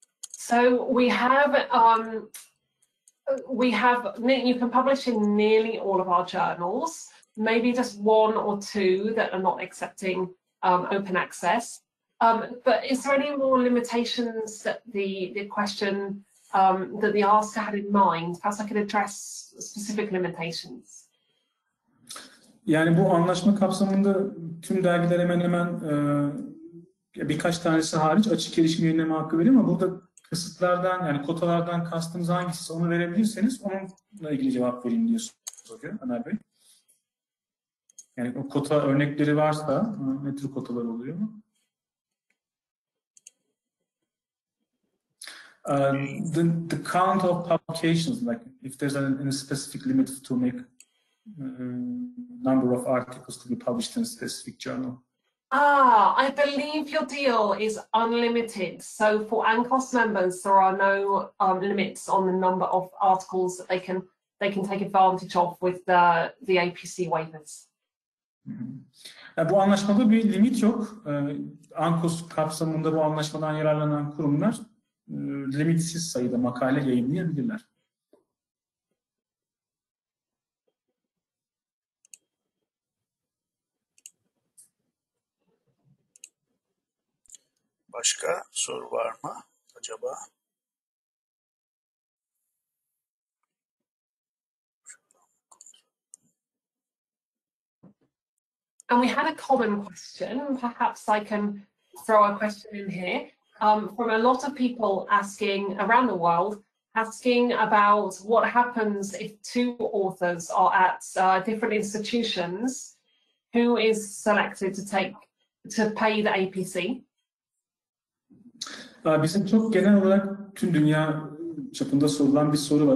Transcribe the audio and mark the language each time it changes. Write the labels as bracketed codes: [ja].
[en] So you can publish in nearly all of our journals, maybe just one or two that are not accepting open access. But is there any more limitations that the question that the asker had in mind? Perhaps I could address specific limitations. [tr] Yani bu anlaşma kapsamında tüm dergiler hemen hemen birkaç tanesi hariç açık erişim yayınlama hakkı veriyor ama burada kısıtlardan yani kotalardan kastımız hangisi onu verebilirseniz onunla ilgili cevap vereyim diyorsunuz Ömer Bey. Yani o kota örnekleri varsa ne tür kotalar oluyor mu? [en] The count of publications, like if there's a specific limit to make number of articles to be published in a specific journal. I believe your deal is unlimited. So for ANKOS members, there are no limits on the number of articles that they can take advantage of with the APC waivers. [tr] Bu anlaşmada bir limit yok. ANKOS kapsamında bu anlaşmadan yararlanan kurumlar limitsiz sayıda makale yayınlayabilirler. Başka soru var mı acaba? [en] And we had a common question, perhaps I can throw a question in here, from a lot of people asking around the world, asking about what happens if two authors are at different institutions, who is selected to take, to pay the APC? [tr] Bizim çok genel olarak tüm dünya çapında sorulan bir soru var.